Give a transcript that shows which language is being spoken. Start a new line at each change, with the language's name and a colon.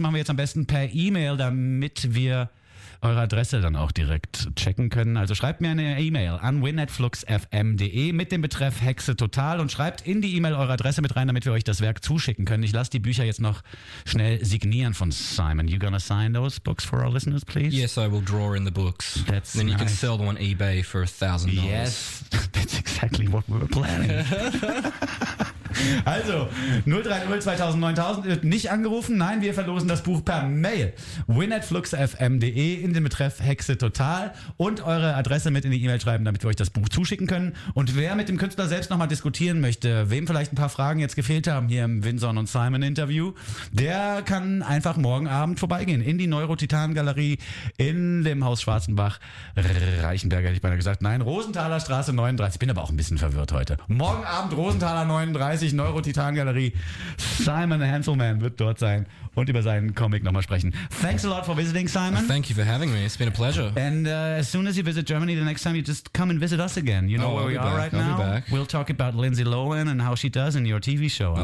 German: Das machen wir jetzt am besten per E-Mail, damit wir eure Adresse dann auch direkt checken können. Also schreibt mir eine E-Mail an win@fluxfm.de mit dem Betreff Hexe Total und schreibt in die E-Mail eure Adresse mit rein, damit wir euch das Werk zuschicken können. Ich lasse die Bücher jetzt noch schnell signieren von Simon.
English: You gonna sign those books for our listeners, please? Yes, I will draw in the books. That's then nice. You can sell them on eBay for $1,000. Yes, that's exactly what we were planning.
German: Also, 030-2009-1000 wird nicht angerufen. Nein, wir verlosen das Buch per Mail. win@fluxfm.de. in den Betreff Hexe total und eure Adresse mit in die E-Mail schreiben, damit wir euch das Buch zuschicken können. Und wer mit dem Künstler selbst nochmal diskutieren möchte, wem vielleicht ein paar Fragen jetzt gefehlt haben hier im Vinson und Simon Interview, der kann einfach morgen Abend vorbeigehen in die Neurotitanengalerie in dem Haus Schwarzenbach. Reichenberg hätte ich beinahe gesagt. Nein, Rosenthaler Straße 39. Bin aber auch ein bisschen verwirrt heute. Morgen Abend Rosenthaler 39, Neurotitanengalerie. Simon Hanselman wird dort sein und über seinen Comic nochmal sprechen.
English: Thanks a lot for visiting, Simon. Thank you for having me. It's been a pleasure. And as soon as you visit Germany the next time, you just come and visit us again. You know I'll be back. We'll talk about Lindsay Lohan and how she does in your TV show.